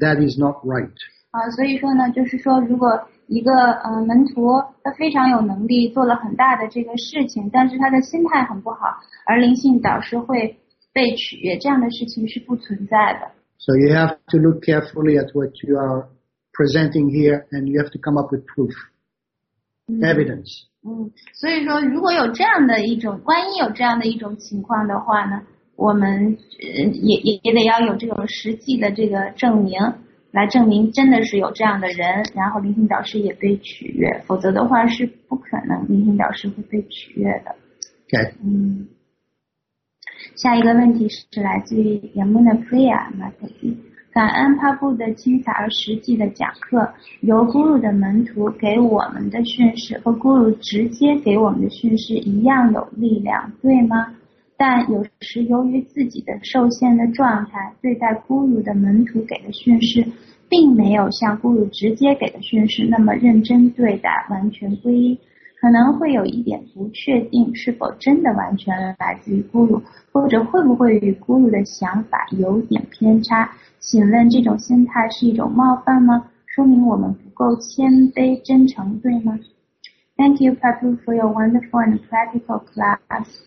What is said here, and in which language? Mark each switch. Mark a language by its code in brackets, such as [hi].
[en] That is not right. [zh] 所以说呢，就是说如果一个门徒他非常有能力做了很大的这个事情，但是他的心态很不好，而灵性导师会被取悦，这样的事情是不存在的。 [en] So you have to look carefully at what you are presenting here and you have to come up with proof evidence. [zh] 所以说如果有这样的一种万一有这样的一种情况的话呢，我们也得要有这种实际的这个证明来证明真的是有这样的人，然后灵性导师也被取悦，否则的话是不可能灵性导师会被取悦的。 [en] Okay. [zh] 下一个问题是来自于人们的 Priya Mataji， 感恩帕布的精彩而实际的讲课，由 Guru 的门徒给我们的训示和 Guru 直接给我们的训示一样有力量，对吗？但有时由于自己的受限的状态，对待 Guru 的门徒给的训示并没有像 Guru 直接给的训示那么认真对待，完全归一，可能会有一点不确定是否真的完全来自于 Guru， 或者会不会与 Guru 的想法有点偏差，请问这种心态是一种冒犯吗？说明我们不够谦卑真诚，对吗？ [en] Thank you Prabhu for your wonderful and practical class.